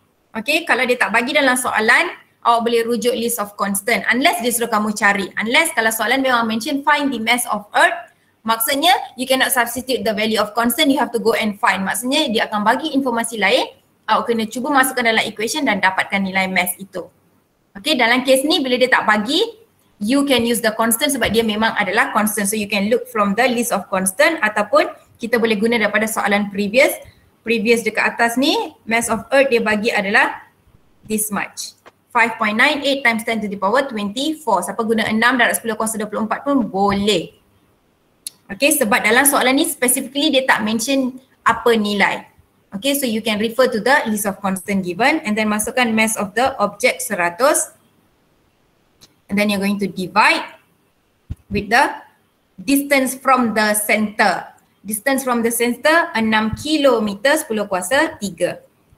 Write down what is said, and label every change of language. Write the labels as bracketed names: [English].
[Malay] Okay, kalau dia tak bagi dalam soalan, awak boleh rujuk [English] list of constant. [Malay] Unless dia suruh kamu cari. [English] Unless [Malay] kalau soalan memang [English] mention find the mass of earth, maksudnya you cannot substitute the value of constant, you have to go and find. [Malay] Maksudnya dia akan bagi informasi lain, awak kena cuba masukkan dalam equation dan dapatkan nilai mass itu. Okay, dalam case ni bila dia tak bagi, [English] you can use the constant [Malay] sebab dia memang adalah constant. [English] So you can look from the list of constant [Malay] ataupun kita boleh guna daripada soalan [English] previous. [Malay] Previous dekat atas ni, [English] mass of earth [Malay] dia bagi adalah [English] this much. 5.98 times 10 to the power 24. [Malay] Siapa guna 6 darab 10 kuasa 24 pun boleh. Okay, sebab dalam soalan ni specifically dia tak mention apa nilai. [English] Okay, so you can refer to the list of constant given and then masukkan mass of the object 100. And then you're going to divide with the distance from the center. Distance from the center 6 kilometer 10 kuasa 3.